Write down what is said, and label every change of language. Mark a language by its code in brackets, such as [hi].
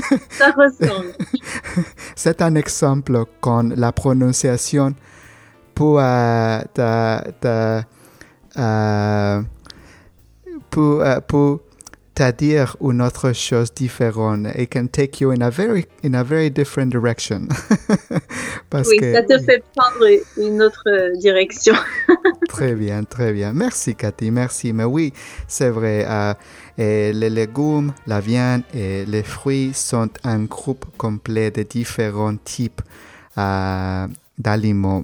[fr] Ça ressemble. C'est un exemple quand la prononciation pour te dire une autre chose différente. [en] It can take you in a very different direction. [fr] Parce que, ça te fait prendre une autre direction. très bien. Merci, Cathy, merci. Mais oui, c'est vrai. Et les légumes, la viande et les fruits sont un groupe complet de différents types d'aliments.